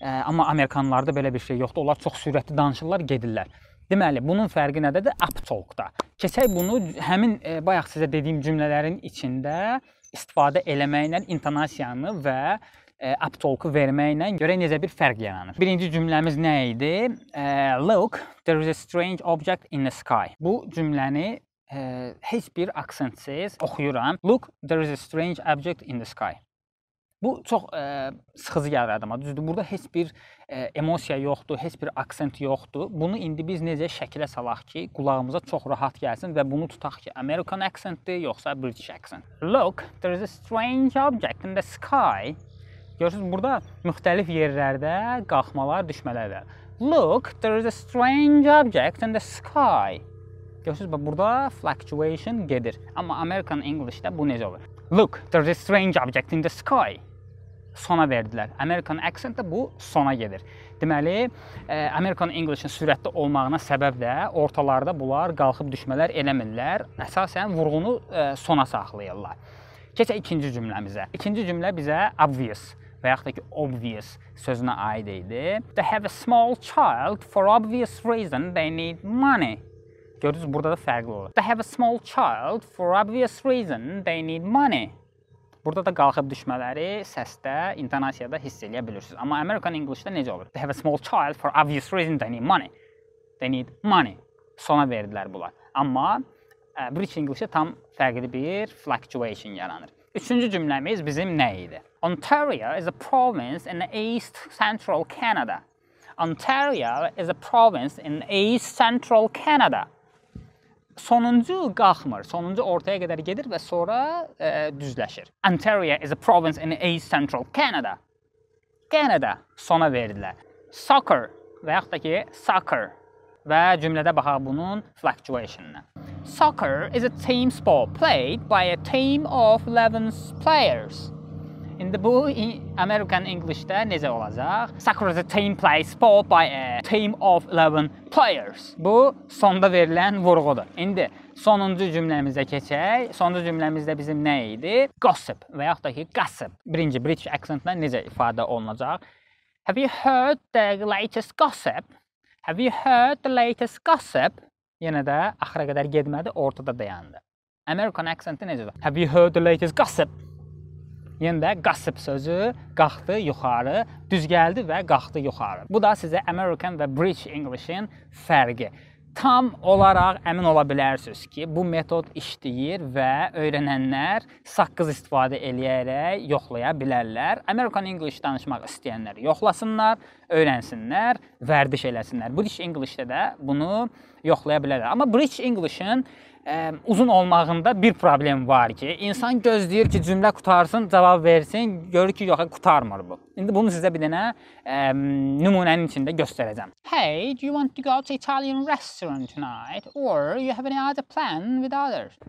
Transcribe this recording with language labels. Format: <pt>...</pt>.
<az>Amma Amerikanlarda belə bir şey yoxdur. Onlar çox sürətli danışırlar, gedirlər. Deməli, bunun fərqi nədədir? Uptalk-da. Keçək bunu həmin bayaq sizə dediyim cümlələrin içində istifadə eləməklə intonasiyanı və uptalk-u verməklə görək necə bir fərq yaranır. Birinci cümləmiz nə idi?</az> <en>Look, there is a strange object in the sky.</en> <az>Bu cümləni heç bir aksentsiz oxuyuram.</az> <en>Look, there is a strange object in the sky.</en> <az>Bu çox sıxıcı gəlirdi amma düzdür. Burada heç bir emosiya yoxdur, heç bir aksent yoxdur. Bunu indi biz necə şəkilə salaq ki, qulağımıza çox rahat gəlsin və bunu tutaq ki, American accentdir yoxsa British accent.</az> <en>Look, there is a strange object in the sky.</en> <az>Görürsünüz, burada müxtəlif yerlərdə qalxmalar, düşmələr var.</az> <en>Look, there is a strange object in the sky.</en> <az>Görürsünüz, burada fluctuation gedir. Amma American English-də bu necə olur?</az> <en>Look, there is a strange object in the sky.</en> <az>Sona verdilər. American accent-də bu sona gedir. Deməli, American English-in sürətli olmağına səbəb də ortalarda bunlar qalxıb düşmələr eləmirlər. Əsasən, vurğunu sona saxlayırlar. Keçək ikinci cümləmizə. İkinci cümlə bizə obvious və yaxud da ki, obvious sözünə aid idi.</az> <en>They have a small child for obvious reason they need money.</en> <az>Gördünüz, burada da fərqli olur.</az> <en>They have a small child for obvious reason they need money.</en> <az>Burada da qalxıb düşmələri səsdə, intonasiyada hiss eləyə bilirsiniz. Amma American English-də necə olur?</az> <en>They have a small child for obvious reason they need money. They need money.</en> <az>Sona verdilər bunlar. Amma British English-də tam fərqli bir fluctuation yaranır. Üçüncü cümləmiz bizim nə idi?</az> <en>Ontario is a province in East Central Canada. Ontario is a province in East Central Canada.</en> <az>Sonuncu qalxmır, sonuncu ortaya qədər gedir və sonra düzləşir.</az> <en>Ontario is a province in East Central Canada.</en> <az>Canada sona verdilər. Soccer və yaxud da ki soccer və cümlədə baxaq bunun fluctuation-ına.</az> <en>Soccer is a team sport played by a team of 11 players.</en> <az>İndi bu American English-də necə olacaq?</az> <en>Soccer is a team play sport by a team of 11 players.</en> <az>Bu sonda verilən vurğudur. İndi sonuncu cümləmizə keçək. Sonuncu cümləmizdə bizim nə idi? Gossip və yaxud da ki gossip. Birinci British accentlə necə ifadə olunacaq?</az> <en>Have you heard the latest gossip? Have you heard the latest gossip?</en> <az>Yenə də axıra qədər getmədi, ortada dayandı. American accenti necə olur?</az> <en>Have you heard the latest gossip?</en> <az>Yenə də gossip sözü qalxdı yuxarı, düz gəldi və qalxdı yuxarı. Bu da sizə American və British English-in fərqi. Tam olaraq əmin ola bilərsiniz ki, bu metod işləyir və öyrənənlər saqqız istifadə eləyərək yoxlaya bilərlər. American English danışmaq istəyənlər yoxlasınlar, öyrənsinlər, vərdiş eləsinlər. British English-də də bunu yoxlaya bilərlər. Amma British English-in uzun olmağında bir problem var ki, insan gözləyir ki, cümlə qutarsın, cavab versin, görür ki, yox, qutarmır bu. İndi bunu sizə bir dənə nümunənin içində göstərəcəm.</az> <en>Hey, do you want to go to Italian restaurant tonight? Or you have any other plan with others?</en>